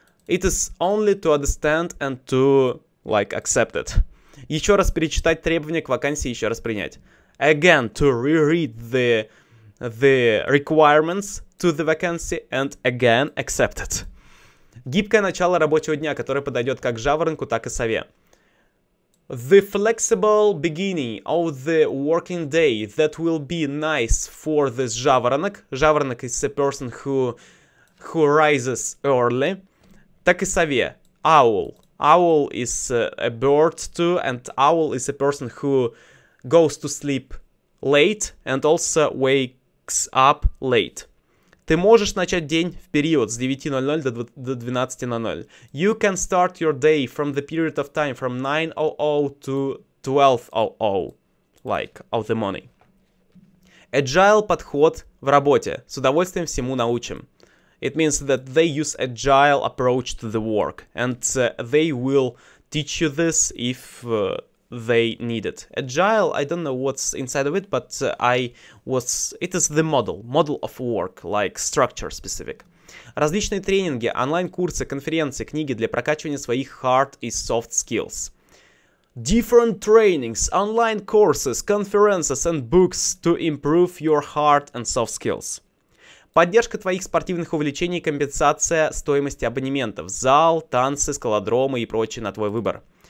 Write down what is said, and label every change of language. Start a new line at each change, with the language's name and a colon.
English: It is only to understand and to, like, accept it.
Russian: Еще раз перечитать требования к вакансии, еще раз принять.
English: Again, to reread the requirements to the vacancy and again accepted.
Russian: Гибкое начало рабочего дня, которое подойдет как жаворонку, так и сове.
English: The flexible beginning of the working day that will be nice for this жаворонок. Жаворонок is a person who rises early.
Russian: Так и сове.
English: Owl. Owl is a bird too, and owl is a person who goes to sleep late and also wakes up late.
Russian: Ты можешь начать день в период с 9:00 до 12:00.
English: You can start your day from the period of time from 9:00 to 12:00, like of the morning.
Russian: Agile подход в работе. С удовольствием всему научим.
English: It means that they use agile approach to the work, and they will teach you this if they need it. Agile, I don't know what's inside of it, but it is the model of work, like structure specific.
Russian: Различные тренинги, онлайн-курсы, конференции, книги для прокачивания своих hard и soft skills.
English: Different trainings, online courses, conferences and books to improve your hard and soft skills.
Russian: Поддержка твоих спортивных увлечений, компенсация стоимости абонементов, зал, танцы, скалодромы и прочее на твой выбор.